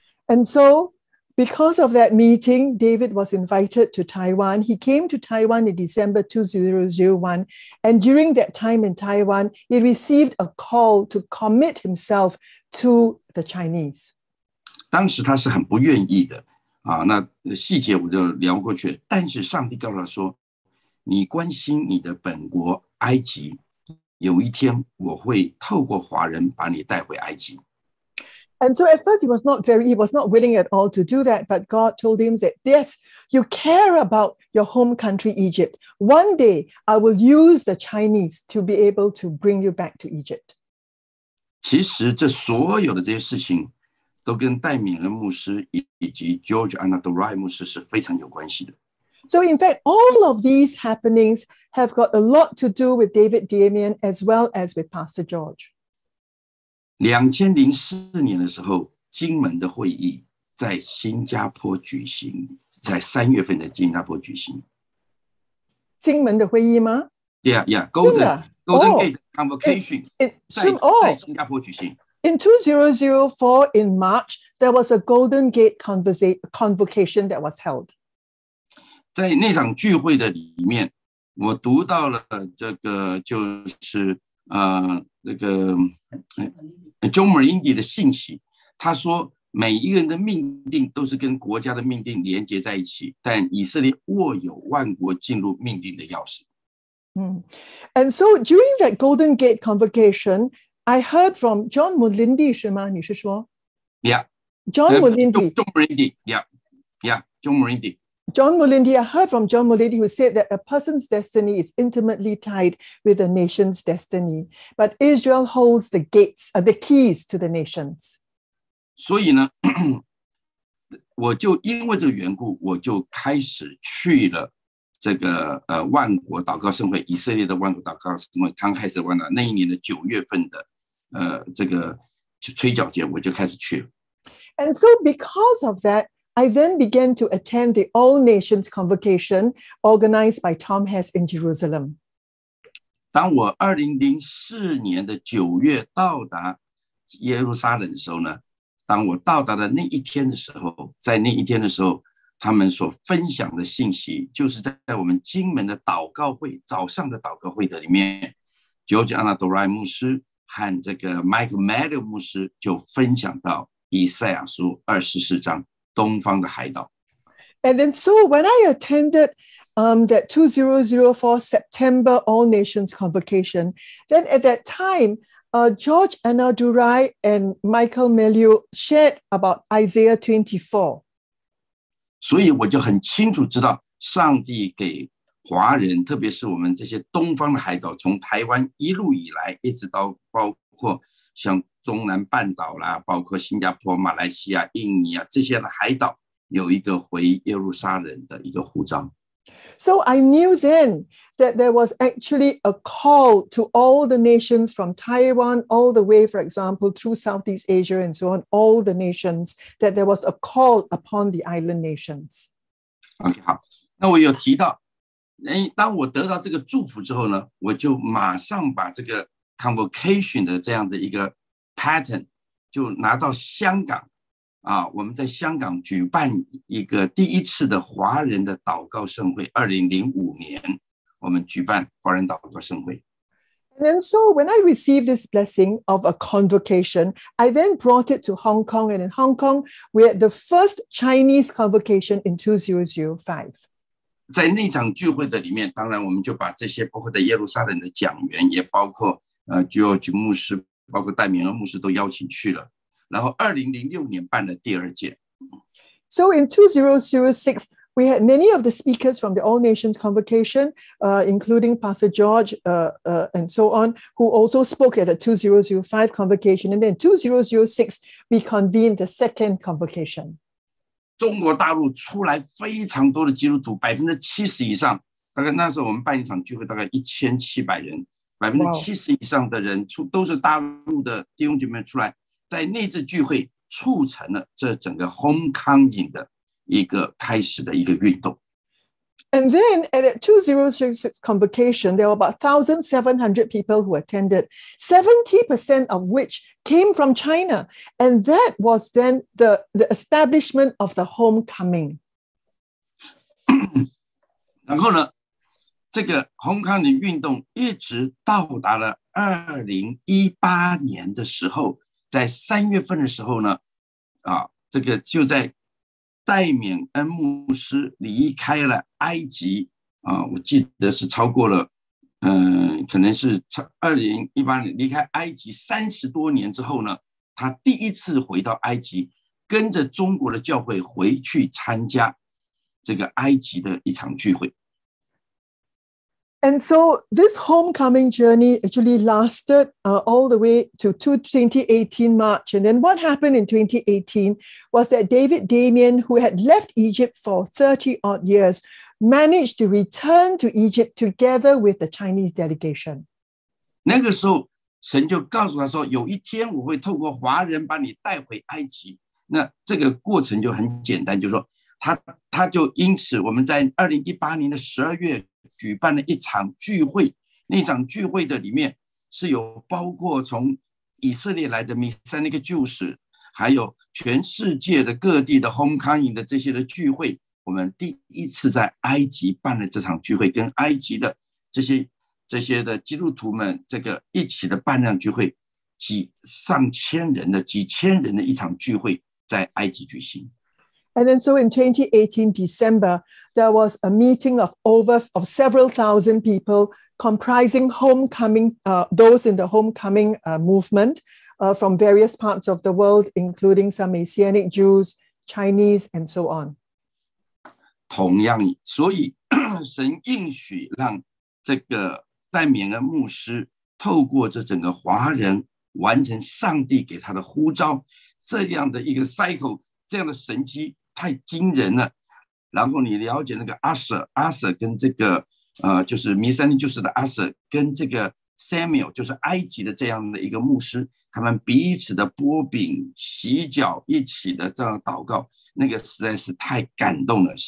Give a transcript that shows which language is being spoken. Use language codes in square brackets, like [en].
[en] And so, because of that meeting, David was invited to Taiwan. He came to Taiwan in December 2001. And during that time in Taiwan, he received a call to commit himself to the Chinese. [zh] 当时他是很不愿意的，那细节我就聊过去了。但是上帝告诉他说，你关心你的本国埃及，有一天我会透过华人把你带回埃及。 [en] And so at first he was not willing at all to do that, but God told him that, yes, you care about your home country, Egypt. One day I will use the Chinese to be able to bring you back to Egypt. [zh] 其实这所有的这些事情都跟戴敏仁牧师以及 George Annadorai 牧师是非常有关系的。 [en] So in fact, all of these happenings have got a lot to do with David Damian as well as with Pastor George. [zh] 2004年的时候，金门的会议在新加坡举行，在三月份的新加坡举行。金门的会议吗？ [en] Yeah, yeah, Golden Gate Convocation. In 2004, in March, there was a Golden Gate Convocation that was held. [zh] 在那场聚会的里面，我读到了这个，就是那个 John Marindi 的信息。他说，每一个人的命定都是跟国家的命定连接在一起，但以色列握有万国进入命定的钥匙。 [en] 嗯 ，And so during that Golden Gate convocation, I heard from John Marindi [zh] 是吗？你是说 [en] ？Yeah，John Marindi，John Marindi，Yeah，Yeah，John Marindi。 John Mulindy, I heard from John Mulindy who said that a person's destiny is intimately tied with a nation's destiny. But Israel holds the gates, the keys to the nations. [zh] 所以呢，我就因为这个缘故，我就开始去了这个万国祷告盛会，以色列的万国祷告盛会，刚开始完了那一年的九月份的这个吹角节，我就开始去了。 [en] And so because of that,I then began to attend the All Nations Convocation organized by Tom Hess in Jerusalem. [zh] 当我2004年的九月到达耶路撒冷的时候呢，当我到达了那一天的时候，在那一天的时候，他们所分享的信息就是在我们金门的祷告会，早上的祷告会的里面 ，George Annadorai 牧师和这个 Mike Meadow 牧师就分享到以赛亚书24章。 [en] And then so when I attended that 2004 September All Nations Convocation, then at that time, George Annadorai and Michael Meadow shared about Isaiah 24. [zh] 所以我就很清楚知道上帝给华人，特别是我们这些东方的海岛，从台湾一路以来，一直到包括像东南半岛啦，包括新加坡、马来西亚、印尼啊这些的海岛，有一个回耶路撒冷的一个呼召。 [en] So I knew then that there was actually a call to all the nations from Taiwan all the way, for example, through Southeast Asia and so on, all the nations, that there was a call upon the island nations. [zh] OK, 好，那我有提到，当我得到这个祝福之后呢，我就马上把这个convocation 的这样子一个 pattern 就拿到香港啊，我们在香港举办一个第一次的华人的祷告盛会。 2005年，我们举办华人祷告盛会。 [en] And then, so when I received this blessing of a convocation, I then brought it to Hong Kong, and in Hong Kong, we had the first Chinese convocation in 2005. [zh] 在那场聚会的里面，当然我们就把这些包括在耶路撒冷的讲员，也包括。 George 牧师包括戴明恩牧师都邀请去了，然后2006年办了第二届。 [en] So in 2006 we had many of the speakers from the All Nations Convocation including Pastor George and so on, who also spoke at the 2005 Convocation, and then 2006 we convened the second Convocation. [zh] 中国大陆出来非常多的基督徒，70%以上，大概那时候我们办一场聚会大概1700人，70%以上的人出都是大陆的弟兄姐妹出来，在那次聚会促成了这整个 homecoming 的一个开始的一个运动。 [en] And then at the 2006 convocation, there were about 1,700 people who attended, 70% of which came from China, and that was then the establishment of the homecoming. [zh] 然后呢？这个 homecoming 运动一直到达了2018年的时候，在三月份的时候呢，啊，这个就在戴敏恩牧师离开了埃及啊，我记得是超过了，可能是2018年离开埃及30多年之后呢，他第一次回到埃及，跟着中国的教会回去参加这个埃及的一场聚会。 [en] And so this homecoming journey actually lasted all the way to 2018 March. And then what happened in 2018 was that David Damien, who had left Egypt for 30 odd years, managed to return to Egypt together with the Chinese delegation. [zh] 那个时候神就告诉他说有一天我会透过华人把你带回埃及。那这个过程就很简单，就是说他就因此我们在2018年的12月举办了一场聚会，那场聚会的里面是有包括从以色列来的 Messianic Jews， 还有全世界的各地的 Homecoming 的这些的聚会。我们第一次在埃及办了这场聚会，跟埃及的这些的基督徒们这个一起的办了聚会，几上千人的几千人的一场聚会在埃及举行。 And then so in 2018 December, there was a meeting of several thousand people comprising homecoming, those in the homecoming movement from various parts of the world, including some Messianic Jews, Chinese, and so on. 同样，所以神应许让这个戴冕恩牧师透过这整个华人完成上帝给他的呼召，这样的一个 cycle， 这样的神迹太惊人了。然后你了解那个阿舍跟这个就是弥撒尼就是的阿舍跟这个 Samuel， 就是埃及的这样的一个牧师，他们彼此的波饼洗脚，一起的这样祷告，那个实在是太感动了。